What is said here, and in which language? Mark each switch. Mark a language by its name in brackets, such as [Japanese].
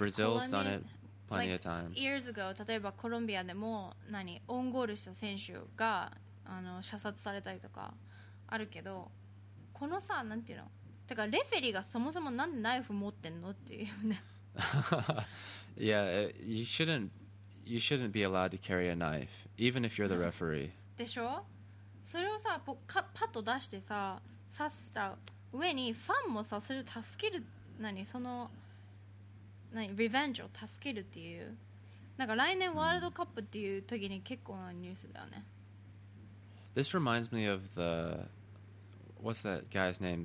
[English] Brazil's Colombian. Done it. Plenty of times. Like years ago, [Japanese] 例えばコロンビアでも何オンゴールした選手があの射殺されたりとかあるけど、このさなんていうの、だからレフェリーがそもそもなんでナイフ持ってんのっていうね。 [English] Yeah, you shouldn't be allowed to carry a knife, even if you're the referee. [Japanese] でしょ？それをさパッと出してさ刺した上にファンもさそれを助ける何その。何リベンジを助けるっていう、なんか来年ワールドカップっていう時に結構なニュースだよね。 [English] This reminds me of the what's that guy's name?